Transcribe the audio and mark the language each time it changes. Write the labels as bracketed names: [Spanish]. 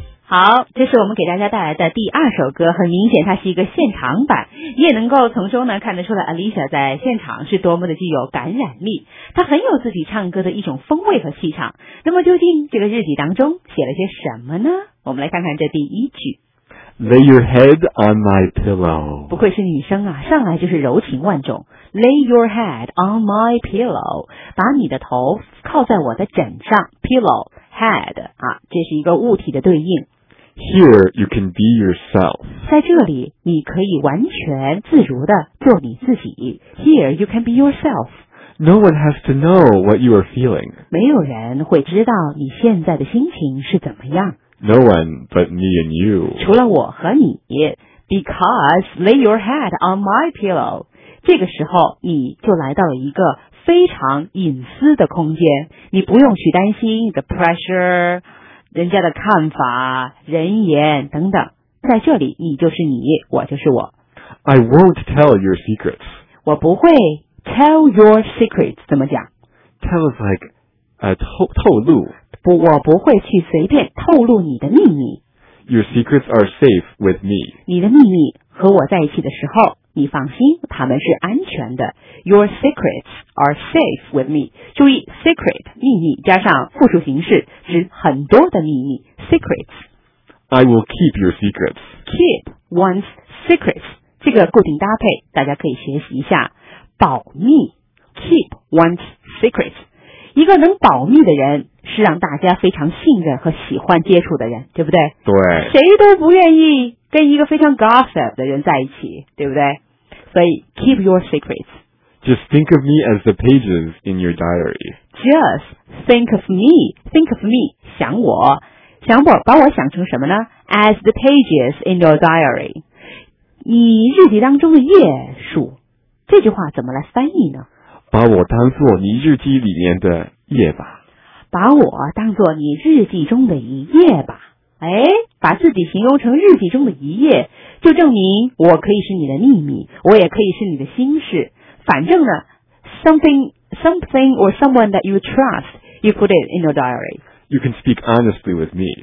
[Chinese] 好，这是我们给大家带来的第二首歌，很明显它是一个现场版，你也能够从中呢看得出来 Alicia 在现场是多么的具有感染力，她很有自己唱歌的一种风味和气场。那么究竟这个日记当中写了些什么呢？我们来看看这第一句。 [English] Lay your head on my pillow. [Chinese] 不愧是女生啊，上来就是柔情万种。 [English] Lay your head on my pillow. [Chinese] 把你的头靠在我的枕上。Pillow, head, 啊，这是一个物体的对应。 [English] Here you can be yourself. [Chinese] 在这里你可以完全自如的做你自己。 [English] Here you can be yourself. No one has to know what you are feeling. [Chinese] 没有人会知道你现在的心情是怎么样。 [English] No one but me and you. [Chinese] 除了我和你。 [English] Because lay your head on my pillow. [Chinese] 这个时候你就来到了一个非常隐私的空间，你不用去担心 the pressure, 人家的看法、人言等等，在这里你就是你，我就是我。 [English] I won't tell your secrets. [Chinese] 我不会 [English] tell your secrets. [Chinese] 怎么讲？ [English] Tell is like透露。 [Chinese] 我不会去随便透露你的秘密。 [English] Your secrets are safe with me. [Chinese] 你的秘密和我在一起的时候，你放心，他们是安全的。 [English] Your secrets are safe with me. [Chinese] 注意 secret 秘密加上复数形式，指很多的秘密。 [English] Secrets. I will keep your secrets. Keep one's secrets. [Chinese] 这个固定搭配，大家可以学习一下。保密。 [English] Keep one's secrets. [Chinese] 一个能保密的人是让大家非常信任和喜欢接触的人，对不对？对，谁都不愿意跟一个非常 gossip 的人在一起，对不对？ [English] 所以 keep your secrets. Just think of me as the pages in your diary. Just think of me. Think of me. 想我，想我，把我想成什么呢？ As the pages in your diary. [Chinese] 你日记当中的页数，这句话怎么来翻译呢？把我当作你日记里面的页吧。把我当作你日记中的一页吧。哎，把自己形容成日记中的一页，就证明我可以是你的秘密，我也可以是你的心事。反正呢 [English] something or someone that you trust, you put it in your diary. You can speak honestly with me.